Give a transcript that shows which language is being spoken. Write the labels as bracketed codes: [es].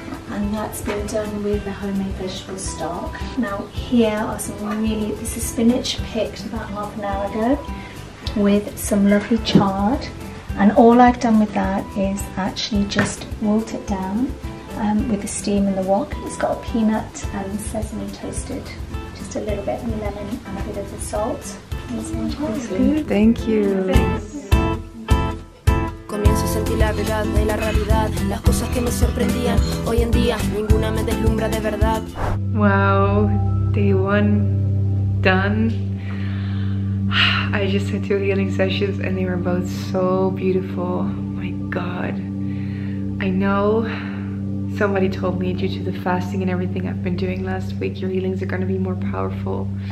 [en] And that's been done with the homemade vegetable stock. Now here are some really, this is spinach picked about half an hour ago with some lovely chard. And all I've done with that is actually just wilt it down with the steam in the wok. It's got a peanut and sesame toasted, just a little bit of lemon and a bit of the salt. Thank you. Thanks. [es] Comienzo a sentir la verdad y la realidad. Las cosas que me sorprendían hoy en día ninguna me deslumbra de verdad. [en] Wow, day one done. I just had two healing sessions and they were both so beautiful. My God. I know somebody told me due to the fasting and everything I've been doing last week, your healings are going to be more powerful.